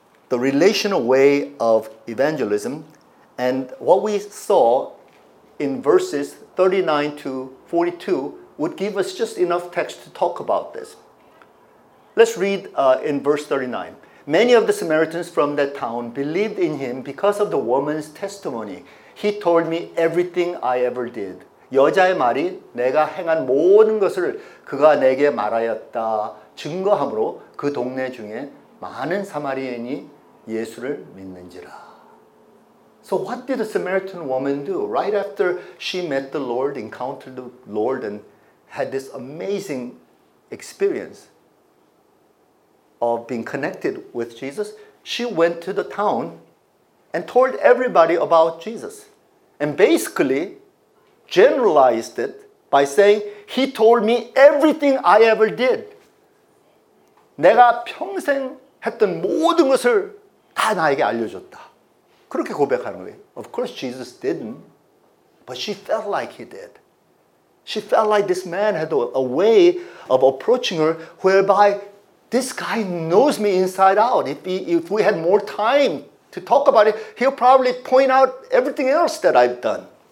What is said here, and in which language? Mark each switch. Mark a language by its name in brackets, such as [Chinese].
[English] the relational way of evangelism. And what we saw in verses 39 to 42 would give us just enough text to talk about this. Let's read in verse 39. Many of the Samaritans from that town believed in him because of the woman's testimony. He told me everything I ever did. [Korean] 여자의 말이 내가 행한 모든 것을 그가 내게 말하였다 증거함으로 그 동네 중에 많은 사마리아인이 예수를 믿는지라. [English] So what did the Samaritan woman do right after she met the Lord, encountered the Lord, and had this amazing experience of being connected with Jesus? She went to the town and told everybody about Jesus. And basically generalized it by saying, he told me everything I ever did. [Korean] 내가 평생 했던 모든 것을 다 나에게 알려줬다. 그렇게 고백하는 거예요. [English] Of course, Jesus didn't, but she felt like he did. She felt like this man had a way of approaching her whereby this guy knows me inside out. If we had more time to talk about it, he'll probably point out everything else that I've done.